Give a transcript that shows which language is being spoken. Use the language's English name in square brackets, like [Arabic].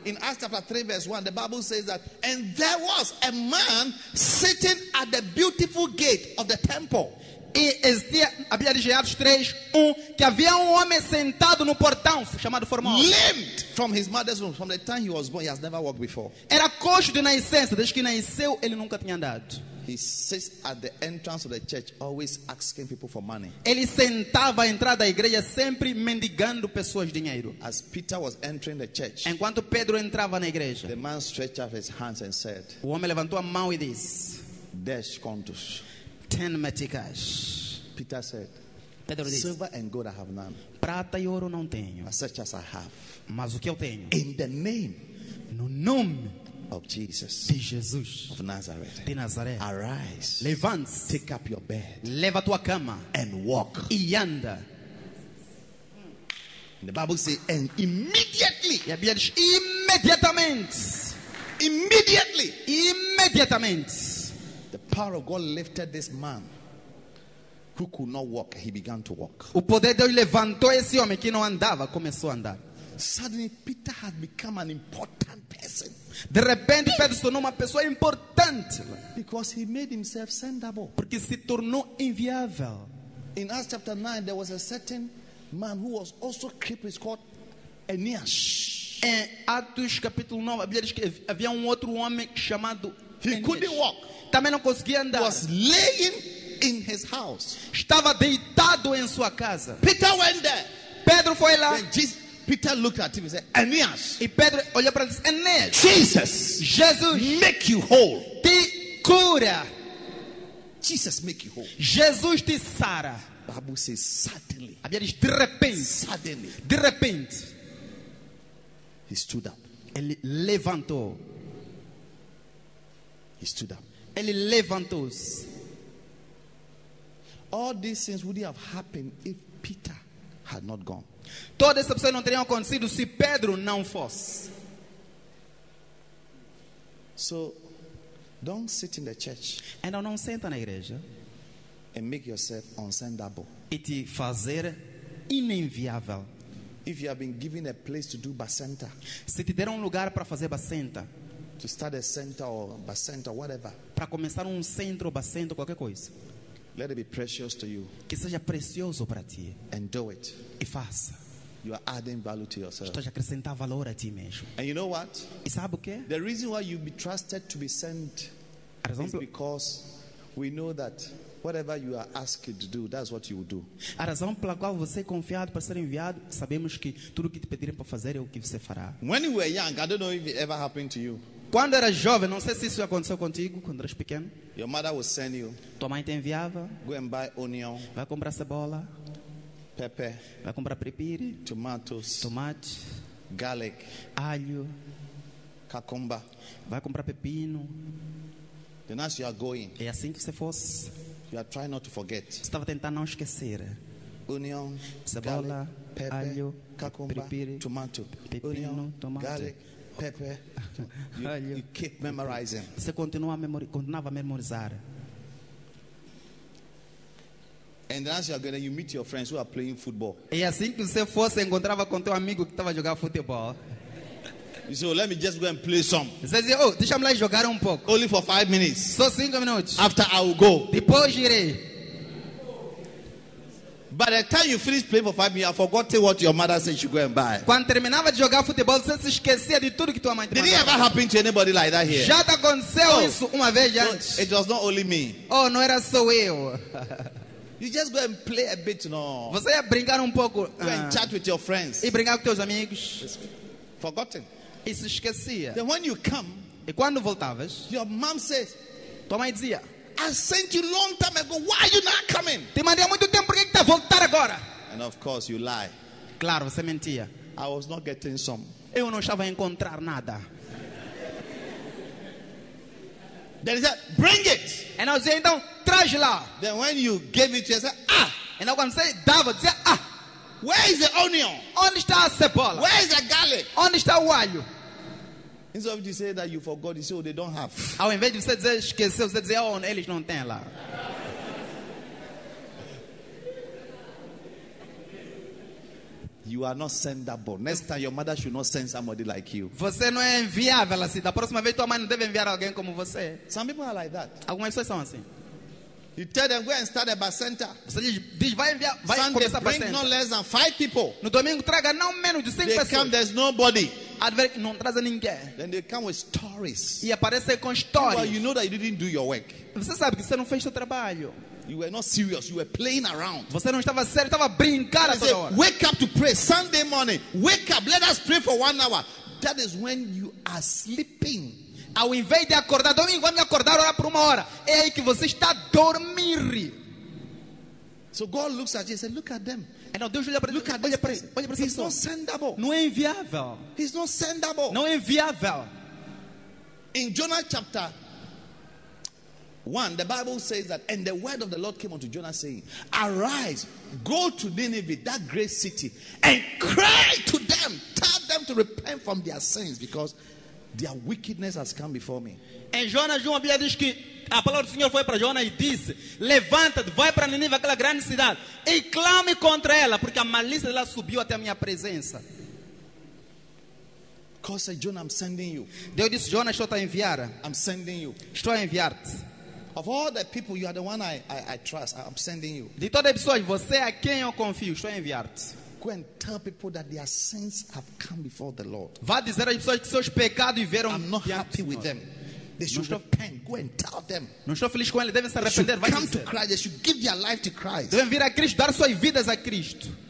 [English] In Acts chapter 3 verse 1, the Bible says that, and there was a man sitting at the beautiful gate of the temple. [Portuguese] E existia, a Bíblia diz em Atos 3, 1, que havia homem sentado no portão, chamado Formoso. [English] Limped from his mother's womb. From the time he was born, he has never walked before. [Portuguese] Era coxo de nascença, desde que nasceu, ele nunca tinha andado. [English] He sits at the entrance of the church, always asking people for money. [Portuguese] Ele sentava à entrada da igreja, sempre mendigando pessoas dinheiro. [English] As Peter was entering the church, [Portuguese] enquanto Pedro entrava na igreja, [English] the man stretched out his hands and said, [Portuguese] o homem levantou a mão e disse, dez contos. [English] Ten meticas. Peter said, [Portuguese] Pedro disse, [English] silver and gold I have none. [Portuguese] Prata e ouro não tenho. [English] But such as I have. [Portuguese] Mas o que eu tenho? [English] In the name. [Portuguese] No nome. [English] Of Jesus. [Portuguese] De Jesus. [English] Of Nazareth. [Portuguese] De Nazareth. [English] Arise. [Portuguese] Levante. [English] Take up your bed. [Portuguese] Leva tua cama. [English] And walk. [Portuguese] E anda. [English] And the Bible says, and immediately. [Portuguese] E a Bíblia diz, imediatamente. [English] Immediately. [Portuguese] Imediatamente. [English] The power of God lifted this man who could not walk. He began to walk. [Portuguese] O poder de Deus levantou esse homem que não andava, começou a andar. [English] Suddenly, Peter had become an important person. [Portuguese] De repente, Pedro se tornou uma pessoa importante. [English] Because he made himself sendable. [Portuguese] Porque se tornou inviável. [English] In Acts chapter 9, there was a certain man who was also crippled called Aeneas. [Portuguese] Em Atos capítulo 9, a Bíblia diz que havia outro homem chamado Aeneas. [English] He couldn't walk. [Portuguese] Também não conseguia andar. [English] Was laying in his house. [Portuguese] Estava deitado em sua casa. [English] Peter went there. [Portuguese] Pedro foi lá. [English] Peter looked at him and said, Aeneas. [Portuguese] E Pedro olhou para ele e disse, Aeneas. [English] Jesus. [Portuguese] Jesus. [English] Make you whole. [Portuguese] Te cura. [English] Jesus make you whole. [Portuguese] Jesus te sara. [English] Bible says suddenly. [Portuguese] A Bíblia diz, de repente. [English] Suddenly. [Portuguese] De repente. [English] He stood up. [Portuguese] Ele levantou. [English] He stood up. [Portuguese] Ele levantou-se. [English] All these things would have happened if Peter had not gone. [Portuguese] Todas essas coisas não teriam acontecido se Pedro não fosse. [English] So, don't sit in the church. [Portuguese] Então não senta na igreja. [English] And make yourself unsendable. [Portuguese] E te fazer inenviável. [English] If you have been given a place to do basenta. [Portuguese] Se te deram um lugar para fazer basenta. [English] To start a center or basenta, whatever. [Portuguese] Para começar centro, basenta, qualquer coisa. [English] Let it be precious to you. [Portuguese] Que seja precioso para ti. [English] And do it. [Portuguese] E faça. [English] You are adding value to yourself. [Portuguese] Estás a acrescentar valor a ti mesmo. [English] And you know what? [Portuguese] E sabe o quê? [English] The reason why you be trusted to be sent is because we know that whatever you are asked to do, that's what you will do. [Portuguese] A razão pela qual você é confiado para ser enviado, sabemos que tudo o que te pedirem para fazer é o que você fará. [English] When you were young, I don't know if it ever happened to you. [Portuguese] Quando era jovem, não sei se isso aconteceu contigo quando eras pequeno. [English] Your mother would send you. [Portuguese] Tua mãe te enviava. [English] Go and buy onion. [Portuguese] Vai comprar cebola. [English] Pepper. [Portuguese] Vai comprar pepire. [English] Tomatoes. [Portuguese] Tomate. [English] Garlic. [Portuguese] Alho. [English] Cucumber. [Portuguese] Vai comprar pepino. [English] Then as you are going. [Portuguese] É assim que você fosse. [English] You are trying not to forget. [Portuguese] Estava tentando não esquecer. [English] Onion. [Portuguese] Cebola. [English] Garlic, pepper, [Portuguese] alho. [English] Cucumber. [Portuguese] Pepire. [English] Tomato. [Portuguese] Pepino. [English] Onion, [Portuguese] tomate. [English] Garlic. Pepe, you keep memorizing. [Portuguese] Você continuava a memorizar. [English] And as you're going, you meet your friends who are playing football. [Portuguese] E assim que você fosse, encontrava com teu amigo que estava a jogar futebol. [English] You say, oh, let me just go and play some. [Portuguese] Você diz, oh, deixa-me lá jogar pouco. [English] Only for 5 minutes. [Portuguese] Só 5 minutos. [English] After I will go. [Portuguese] Depois irei. [English] By the time you finish playing for 5 minutes, I forgot what your mother said you go and buy. [Portuguese] Quando terminava de jogar futebol, você se esquecia de tudo que tua mãe te mandava. [English] Did it ever happen to anybody like that here? [Portuguese] Já aconteceu isso uma vez antes. [English] It was not only me. [Portuguese] Oh, não era só eu. [English] You just go and play a bit, you know. [Portuguese] Você ia brincar pouco. [English] Go and chat with your friends. [Portuguese] E brincar com teus amigos. [English] Forgotten. [Portuguese] E se esquecia. [English] Then when you come, [Portuguese] e quando voltavas, [English] your mom says, [Portuguese] tua mãe dizia, [English] I sent you long time ago. Why are you not coming? [Portuguese] Te mandei há muito tempo, por que está a voltar agora? [English] And of course you lie. [Portuguese] Claro, você mentia. [English] I was not getting some. [Portuguese] Eu não estava a encontrar nada. [English] Then he said, bring it. And I was saying, [Portuguese] então, traz lá. [English] Then when you gave it to you, I said, ah. And I was going to say, [Portuguese] dava, dizia, ah. [English] Where is the onion? [Portuguese] Onde está a cebola? [English] Where is the garlic? [Portuguese] Onde está o alho? [English] Instead of you say that you forgot, you say, oh, they don't have. [Portuguese] Ao invés de você dizer esqueceu, você dizer, oh, eles não têm lá. [English] You are not sendable. Next time, your mother should not send somebody like you. [Portuguese] Você não é enviável assim. Da próxima vez, tua mãe não deve enviar alguém como você. [English] Some people are like that. [Portuguese] Algumas pessoas são assim. [English] You tell them go and start a bus center. [Portuguese] Você diz, vai enviar, vai [English] Sunday, [Portuguese] começar [English] bring [Portuguese] a [English] bus center. Not less than 5 people. [Portuguese] No domingo traga não menos de 5 pessoas. [English] They come, there's nobody. [Portuguese] Adver- não traz ninguém. [English] Then they come with stories. [Portuguese] E aparece com histórias. [English] Well, you know that you didn't do your work. [Portuguese] Você sabe que você não fez seu trabalho. [English] You were not serious. You were playing around. [Portuguese] Você não estava sério. Estava brincando toda hora. [English] Wake up to pray Sunday morning. Wake up. Let us pray for 1 hour. That is when you are sleeping. [Portuguese] Ao invés de acordar domingo, vai me acordar orar por 1 hora. É aí que você está a dormir. [English] So God looks at you and says, "Look at them." [Portuguese] Não, Deus olha para [English] look at [Portuguese] olha [English] this [Portuguese] para, [English] person. He's not sendable. [Portuguese] Não é enviável. [English] He's not sendable. [Portuguese] Não é enviável. [English] In Jonah chapter 1, the Bible says that, and the word of the Lord came unto Jonah saying, arise, go to Nineveh, that great city, and cry to them, tell them to repent from their sins, because their wickedness has come before me. [Portuguese] Em Jonas 1, a Bíblia diz que a palavra do Senhor foi para Jonas e disse, levanta-te, vai para Nineveh, aquela grande cidade, e clame contra ela, porque a malícia dela subiu até a minha presença. [English] God said, Jonah, I'm sending you. [Portuguese] Deus disse, Jonas, estou a enviar. [English] I'm sending you. [Portuguese] Estou a enviar-te. [English] Of all the people, you are the one I trust. I'm sending you. [Portuguese] De todas as pessoas, você é quem eu confio. Estou a enviar-te. [English] Go and tell people that their sins have come before the Lord. [Portuguese] Vá dizer às pessoas que seus pecados vieram. [English] I'm not happy with them. They should repent. Go and tell them. [Portuguese] Não estou feliz com eles. Devem se arrepender. [English] They should come to Christ. They should give their life to Christ. [Portuguese] Devem vir a Cristo, dar suas vidas a Cristo.